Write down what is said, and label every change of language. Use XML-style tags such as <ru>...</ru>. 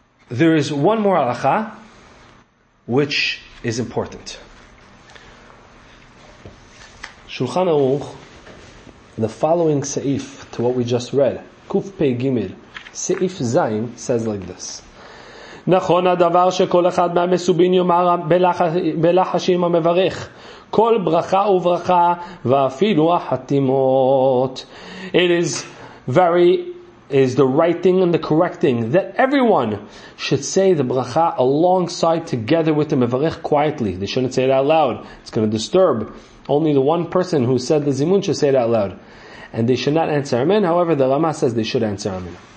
<en>There is one more halacha, which is important. Shulchan Aruch, the following seif to what we just read, Kuf Pei Gimel, Seif Zayin, says like this.</en> <he>נכון הדבר שכל אחד מהמסובין יאמר בלחשים המברך כל ברכה וברכה ואפילו החתימות.</he> <en>It is the writing and the correcting that everyone should say the bracha alongside together with the mevarech quietly. They shouldn't say it out loud. It's going to disturb. Only the one person who said the zimun should say it out loud. And they should not answer amen. However, the Rama says they should answer amen.</en>